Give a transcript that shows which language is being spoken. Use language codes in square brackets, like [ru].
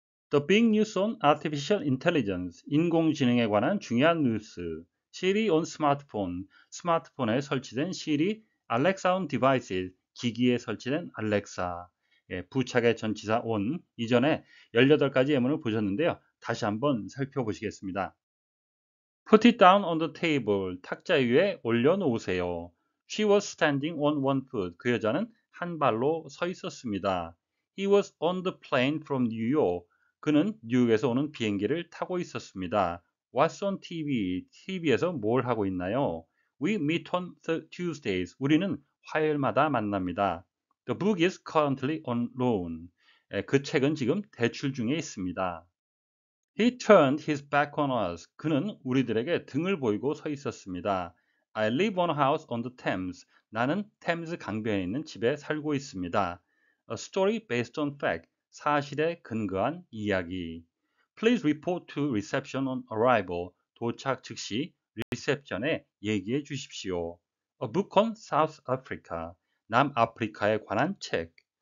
[en] The big news on artificial intelligence, [ko] 인공지능에 관한 중요한 뉴스, [en] Siri on smartphone, [ko] 스마트폰에 설치된 Siri, [en] Alexa on devices, [ko] 기기에 설치된 Alexa, 예, 부착의 전치사 on, 이전에 18가지 예문을 보셨는데요. 다시 한번 살펴보시겠습니다. [en] Put it down on the table. [ko] 탁자 위에 올려놓으세요. [en] She was standing on one foot. [ko] 그 여자는 한 발로 서 있었습니다. [en] He was on the plane from New York. [ko] 그는 뉴욕에서 오는 비행기를 타고 있었습니다. [en] What's on TV? [ko] TV에서 뭘 하고 있나요? [en] We meet on Tuesdays. [ko] 우리는 화요일마다 만납니다. [en] The book is currently on loan. [ko] 그 책은 지금 대출 중에 있습니다. [en] He turned his back on us. [ko] 그는 우리들에게 등을 보이고 서 있었습니다. [en] I live on a house on the Thames. [ko] 나는 템즈 강변에 있는 집에 살고 있습니다. [en] A story based on fact. [ko] 사실에 근거한 이야기. [en] Please report to reception on arrival. [ko] 도착 즉시 리셉션에 얘기해 주십시오. [en] A book on South Africa. [ko] 남아프리카에 관한 책.